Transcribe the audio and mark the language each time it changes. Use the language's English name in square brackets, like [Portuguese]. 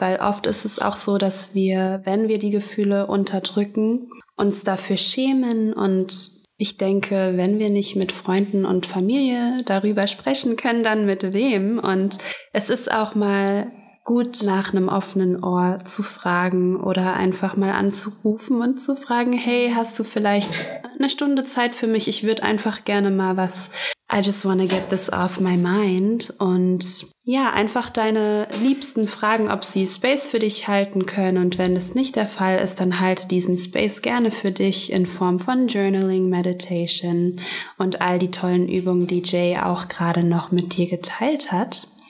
[German] Weil oft ist es auch so, dass wir, wenn wir die Gefühle unterdrücken, uns dafür schämen und ich denke, wenn wir nicht mit Freunden und Familie darüber sprechen können, dann mit wem? Und es ist auch mal gut, nach einem offenen Ohr zu fragen oder einfach mal anzurufen und zu fragen, hey, hast du vielleicht eine Stunde Zeit für mich? Ich würde einfach gerne mal was. [English] I just wanna get this off my mind. [German] Und ja, einfach deine Liebsten fragen, ob sie Space für dich halten können. Und wenn das nicht der Fall ist, dann halte diesen Space gerne für dich in Form von Journaling, Meditation und all die tollen Übungen, die Jay auch gerade noch mit dir geteilt hat.